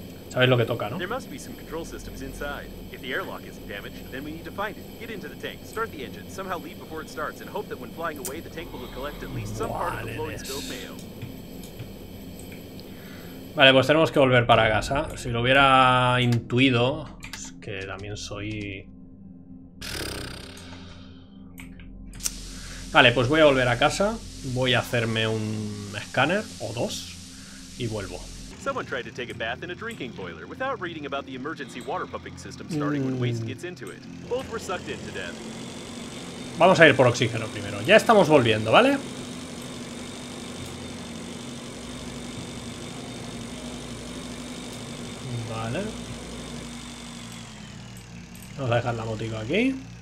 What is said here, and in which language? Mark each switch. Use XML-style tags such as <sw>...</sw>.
<es>Sabes lo que toca, ¿no?</es> <en>There must be some control systems inside. If the airlock isn't damaged, then we need to find it. Get into the tank, start the engine, somehow leave before it starts, and hope that when flying away, the tank will collect at least some part of the floating spilled mayo.</en> <es>Vale, pues tenemos que volver para casa. Si lo hubiera intuido, es que también soy. Vale, pues voy a volver a casa. Voy a hacerme un escáner o dos y vuelvo.</es> <en>Someone tried to take a bath in a drinking boiler without reading about the emergency water pumping system starting when waste gets into it. Both were sucked into death.</en> <es>Vamos a ir por oxígeno primero. Ya estamos volviendo, ¿vale? Vale. Vamos a dejar la motico aquí.</es>